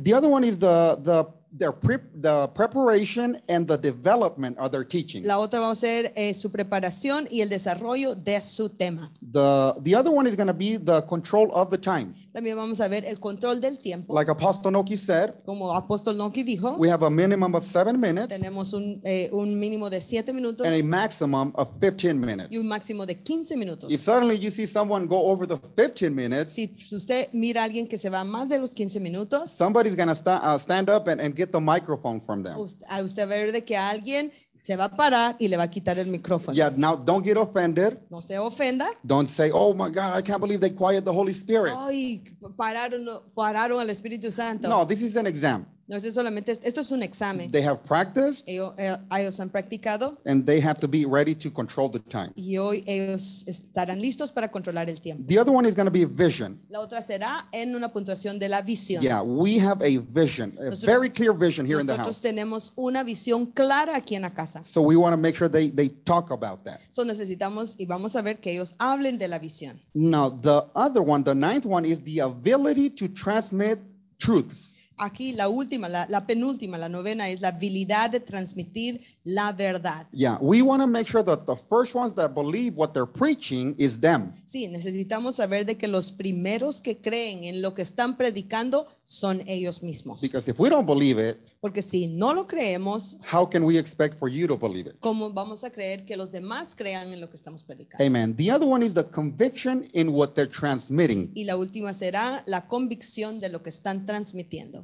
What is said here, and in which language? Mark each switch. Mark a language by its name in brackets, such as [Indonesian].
[English] The other one is the preparation and the development of their teaching. [Spanish] La otra va a ser su preparación y el desarrollo de su tema. [English] The other one is going to be the control of the time. [Spanish] También vamos a ver el control del tiempo. [English] Like Apostle Noki said, [Spanish] como Apostle Noki dijo, [English] we have a minimum of 7 minutes. [Spanish] Tenemos un mínimo de 7 minutos. [English] And a maximum of 15 minutes. [Spanish] Y un máximo de 15 minutos. [English] If suddenly you see someone go over the 15 minutes, [Spanish] si usted mira a alguien que se va más de los 15 minutos, [English] somebody's going to stand up and get the microphone from them. [Spanish] A usted ver de que alguien se va a parar y le va a quitar el micrófono. [English] Yeah, now don't get offended. [Spanish] No se ofenda. [English] Don't say, oh my God, I can't believe they quiet the Holy Spirit. [Spanish] Ay, pararon al Espíritu Santo. [English] No, this is an exam. [Spanish] No, es solamente, esto es un examen. [English] They have practiced. [Spanish] Ellos han practicado. [English] And they have to be ready to control the time. [Spanish] Y hoy ellos estarán listos para controlar el tiempo. [English] The other one is going to be vision. [Spanish] La otra será en una puntuación de la visión. [English] Yeah, we have a vision, a [Spanish] nosotros, [English] very clear vision here in the house. [Spanish] Nosotros tenemos una visión clara aquí en la casa. [English] So we want to make sure they talk about that. [Spanish] So necesitamos y vamos a ver que ellos hablen de la visión. [English] Now, the other one, the ninth one, is the ability to transmit truths. [Spanish] Aquí la última, la penúltima, la novena es la habilidad de transmitir la verdad. [English] Yeah, we want to make sure that the first ones that believe what they're preaching is them. [Spanish] Sí, necesitamos saber de que los primeros que creen en lo que están predicando son ellos mismos. [English] Because if we don't believe it, [Spanish] porque si no lo creemos, [English] how can we expect for you to believe it? [Spanish] ¿Cómo vamos a creer que los demás crean en lo que estamos predicando? [English] Amen. The other one is the conviction in what they're transmitting. [Spanish] Y la última será la convicción de lo que están transmitiendo.